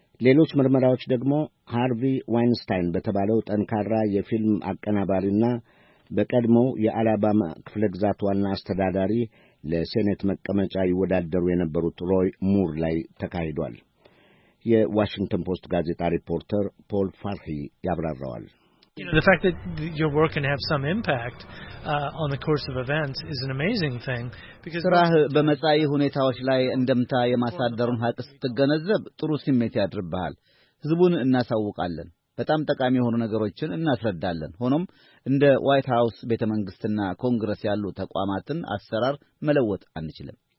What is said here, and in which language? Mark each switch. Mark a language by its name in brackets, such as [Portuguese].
[Amharic] ሌሎች ምርመራዎች ደግሞ ሃርቪ ዋይንስታይን በተባለው ጠንካራ የፊልም አቀናባሪና በቀድሞው የአላባማ ክፍለ ግዛት ዋና አስተዳዳሪ ለሴኔት መቀመጫ ይወዳደሩ የነበሩት ሮይ ሙር ላይ ተካሂዷል። የዋሽንግተን ፖስት ጋዜጣ ሪፖርተር ፖል ፋርሂ ያብራራዋል። [English] The fact that your work can have some impact on the course of events is an amazing thing because [Amharic] ስራህ በመጻይ ሁኔታዎች ላይ እንደምታ የማሳደሩን ሀቅ ስትገነዘብ ጥሩ ስሜት ያድርብሃል። ህዝቡን እናሳውቃለን፣ በጣም ጠቃሚ የሆኑ ነገሮችን እናስረዳለን። ሆኖም እንደ ዋይት ሃውስ ቤተ መንግስትና ኮንግረስ ያሉ ተቋማትን አሰራር መለወጥ አንችልም።